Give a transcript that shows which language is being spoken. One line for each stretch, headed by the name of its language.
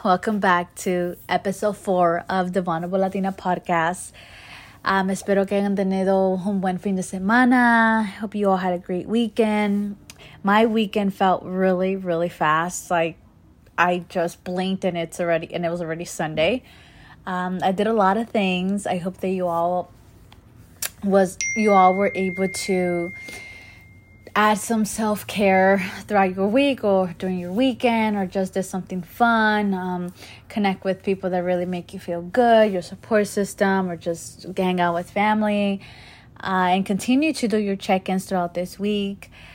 English: Welcome back to episode 4 of the Vulnerable Latina podcast.
Spanish: Espero que hayan tenido un buen fin de semana.
English: Hope you all had a great weekend. My weekend felt really, really fast. Like, I just blinked and it was already Sunday. I did a lot of things. I hope that you all were able to add some self-care throughout your week or during your weekend, or just did something fun, connect with people that really make you feel good, your support system, or just hang out with family, and continue to do your check-ins throughout this week.